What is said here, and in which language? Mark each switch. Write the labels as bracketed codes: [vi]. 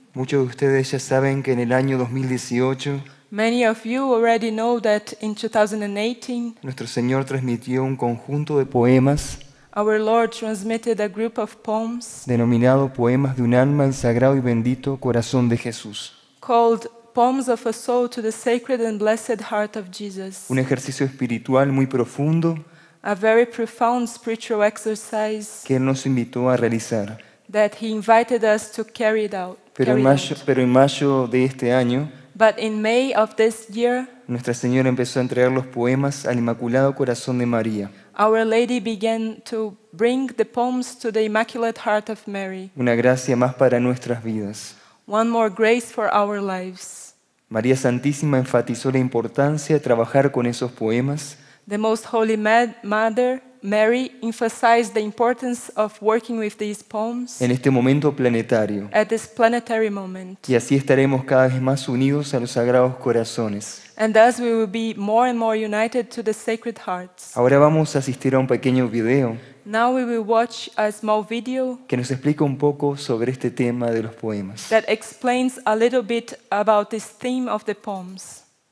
[es] Muchos de ustedes ya saben que en el año 2018, [en] many of you already know that in 2018, [es] nuestro Señor transmitió un conjunto de poemas, [en] our Lord transmitted a group of poems, [es] denominado Poemas de un alma al Sagrado y Bendito Corazón de Jesús, [en] called Poems of a Soul to the Sacred and Blessed Heart of Jesus. [es] Un ejercicio espiritual muy profundo, [en] a very profound spiritual exercise, [es] que Él nos invitó a realizar, [en] that He invited us to carry it out. [es] Pero en mayo de este año, [en] but in May of this year, [es] Nuestra Señora empezó a entregar los poemas al Inmaculado Corazón de María. [en] Our Lady began to bring the poems to the Immaculate Heart of Mary. [es] Una gracia más para nuestras vidas. [en] One more grace for our lives. [es] María Santísima enfatizó la importancia de trabajar con esos poemas. [en] The Most Holy Mother Mary emphasized the importance of working with these poems [es] en este momento planetario. [en] At this planetary moment. [es] Y así estaremos cada vez más unidos a los Sagrados Corazones. [en] And thus we will be more and more united to the Sacred Hearts. [es] Ahora vamos a asistir a un pequeño video. [en] Now we will watch a small video [es] que nos explica un poco sobre este tema de los poemas. [en] That explains a little bit about this theme of the poems.